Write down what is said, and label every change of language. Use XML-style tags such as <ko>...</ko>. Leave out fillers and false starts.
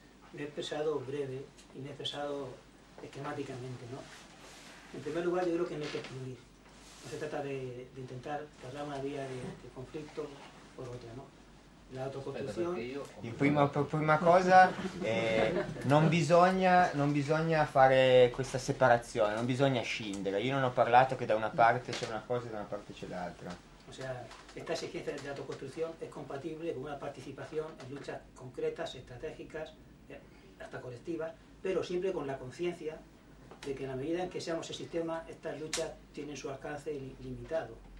<es>Me he expresado breve y me he expresado esquemáticamente, ¿no? En primer lugar, yo creo que no hay que excluir. No se trata de intentar cerrar una vía de conflicto por otra, ¿no? La autoconstrucción...</es> <it>Prima cosa, non bisogna fare questa separazione, non bisogna scindere. Io non ho parlato che da una parte c'è una cosa e da una parte c'è l'altra.</it> <es>O sea, esta exigencia de autoconstrucción es compatible con una participación en luchas concretas, estratégicas, hasta colectivas, pero siempre con la conciencia de que en la medida en que seamos el sistema, estas luchas tienen su alcance limitado.</es>